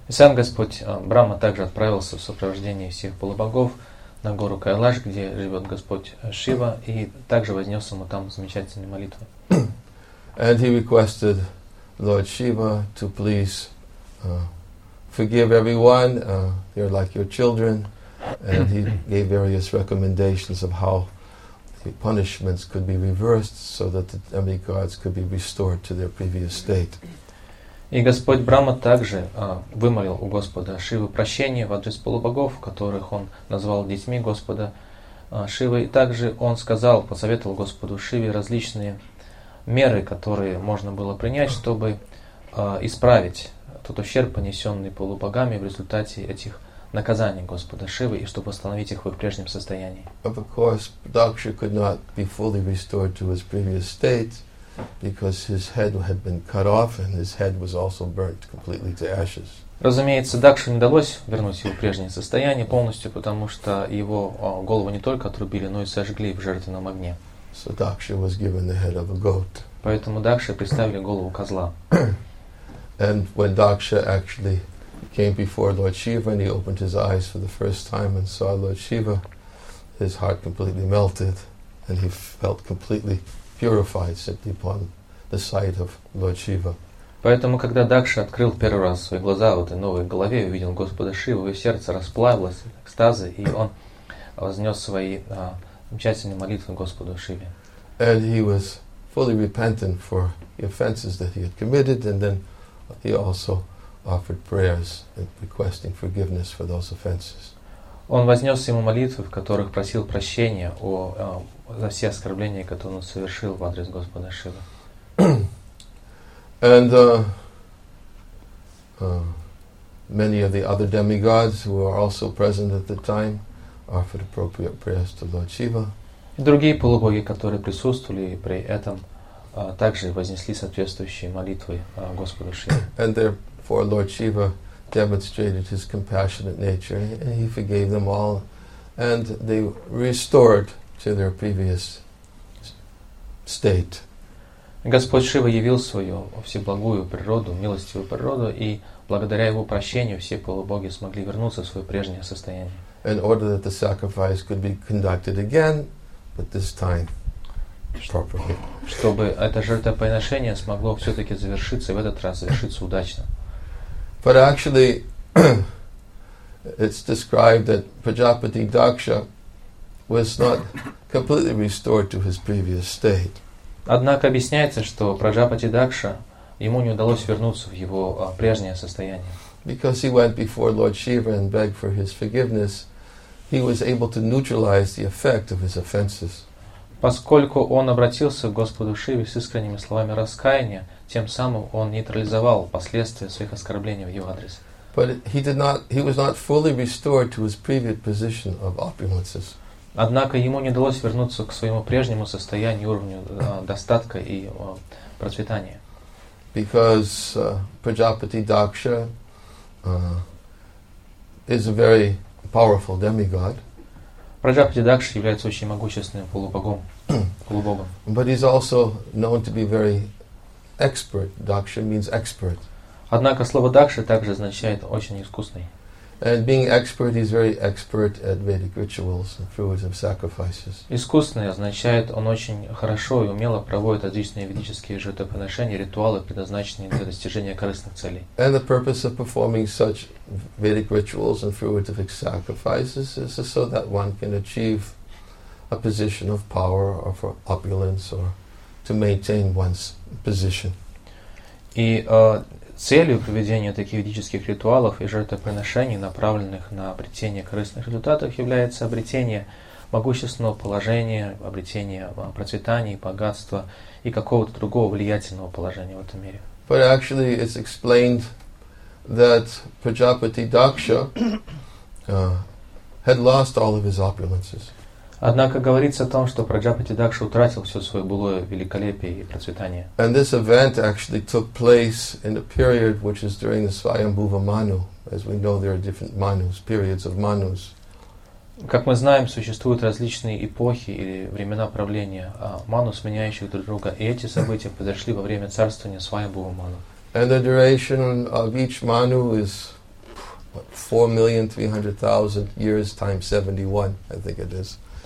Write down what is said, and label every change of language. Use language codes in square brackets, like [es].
[ru] И сам Господь Брахма также отправился в сопровождении всех полубогов на гору Кайлаш, где живет Господь Шива, и также вознес ему там замечательные молитвы. [en] And he requested Lord Shiva to please forgive everyone, they're like your children, and he gave various recommendations of how the punishments could be reversed so that the demigods could be restored to their previous state. [ru] И Господь Брахма также вымолил у Господа Шивы прощение в адрес полубогов, которых он назвал детьми Господа Шивы, и также он сказал, посоветовал Господу Шиве различные меры, которые можно было принять, чтобы исправить тот ущерб, понесенный полубогами в результате этих наказаний Господа Шивы, и чтобы восстановить их в их прежнем состоянии. [en] Of course, Daksha could not be fully restored to his previous state, because his head had been cut off, and his head was also burnt completely to ashes. [ru] Разумеется, Дакше не удалось вернуть его прежнее состояние полностью, потому что его голову не только отрубили, но и сожгли в жертвенном огне. [en] So Daksha was given the head of a goat. [ru] Поэтому Дакше представили голову козла. [en] And when Daksha actually came before Lord Shiva and he opened his eyes for the first time and saw Lord Shiva, his heart completely melted and he felt completely purified simply upon the sight of Lord Shiva. [ru] Поэтому, когда Дакша открыл первый раз свои глаза в этой новой голове и увидел Господа Шиву, его сердце расплавилось от экстаза, и он вознес свои замечательные молитвы Господу Шиве. [en] And he was fully repentant for the offenses that he had committed, and then he also offered prayers and requesting forgiveness for those offenses. [ru] Он вознес ему молитвы, в которых просил прощения за все оскорбления, которые он совершил в адрес Господа Шивы. [en] And many of the other demigods who were also present at the time offered appropriate prayers to Lord Shiva. [ru] И другие полубоги, которые присутствовали при этом, также вознесли соответствующие молитвы Господу Шиве. [en] And therefore Lord Shiva demonstrated his compassionate nature and he forgave them all and they restored to their previous state. [ru] Господь Шива явил свою всеблагую природу, милостивую природу, и благодаря его прощению все полубоги смогли вернуться в свое прежнее состояние. [en] In order that the sacrifice could be conducted again, but this time properly. [ru] Чтобы это жертвоприношение смогло все-таки завершиться, и в этот раз завершиться удачно. [en] But actually, it's described that Prajapati Daksha was not completely restored to his previous state. [ru] Однако объясняется, что Праджапати Дакша, ему не удалось вернуться в его прежнее состояние. [en] Because he went before Lord Shiva and begged for his forgiveness, he was able to neutralize the effect of his offenses. [ru] Поскольку он обратился к Господу Шиве с искренними словами раскаяния, тем самым он нейтрализовал последствия своих оскорблений в его адрес. [en] But he was not fully restored to his previous position of opulences. [ru] Однако ему не удалось вернуться к своему прежнему состоянию, уровню достатка и процветания. [en] Because Prajapati Daksha is a very powerful demigod. [ru] Prajapati Daksha является очень могущественным полубогом, полубогом. [en] But he's also known to be very expert. Daksha means expert. [ru] Однако слово Дакша также означает очень искусный. [en] And being expert, he's very expert at Vedic rituals and fruits of sacrifices. [ru] Искусный означает, он очень хорошо и умело проводит различные ведические жертвоприношения, ритуалы, предназначенные для достижения корыстных целей. [en] And the purpose of performing such Vedic rituals and fruits of sacrifices is so that one can achieve a position of power or for opulence or to maintain one's position. [ru] И целью проведения таких ведических ритуалов и жертвоприношений, направленных на обретение корыстных результатов, является обретение могущественного положения, обретение процветания, богатства и какого-то другого влиятельного положения в этом мире. [en] But actually it's explained that Prajapati Daksha had lost all of his opulences. [ru] Однако говорится о том, что Праджапати Дакша утратил все свое былое великолепие и процветание. [en] And this event actually took place in a period which is during the Svayambhuva Manu. As we know, there are different manus, periods of manus. [ru] Как мы знаем, существуют различные эпохи или времена правления ману, сменяющих друг друга. И эти события произошли во время царствования Свайамбхува Ману. [en] And the duration of each manu is 4,300,000 years times 71, I think it is.